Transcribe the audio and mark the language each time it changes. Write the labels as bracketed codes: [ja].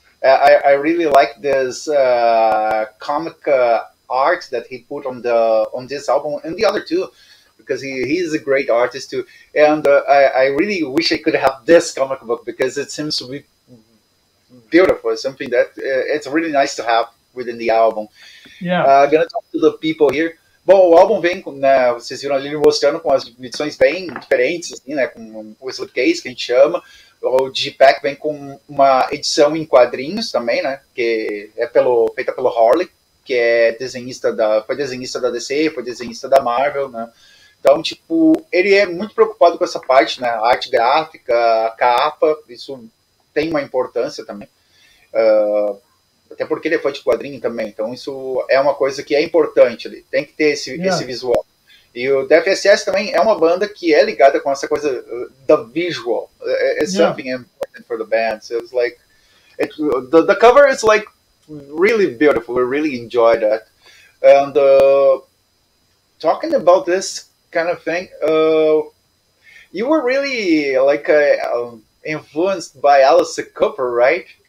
[en] I really like this comic art that he put on this album and the other two. Because he is a great artist too, and I really wish I could have this comic book, because it seems to be beautiful. It's something that it's really nice to have within the album. Yeah, gonna talk to the people here. [pt] Bom, o álbum vem com, né, vocês viram ali mostrando com as edições bem diferentes, assim, né, com o slipcase que a gente chama. O digipack vem com uma edição em quadrinhos também, né, que é feita pelo Harley, que é desenhista foi desenhista da DC, foi desenhista da Marvel, né. Então, tipo, ele é muito preocupado com essa parte, né? Arte gráfica, capa, isso tem uma importância também. Até porque ele é fã de quadrinho também. Então, isso é uma coisa que é importante ali. Tem que ter esse visual. E o Death SS também é uma banda que é ligada com essa coisa da visual. [en] It's something important for the band. So it's like, the cover is like really beautiful. We really enjoy that. And talking about this kind of thing, you were really like influenced by Alice Cooper, right?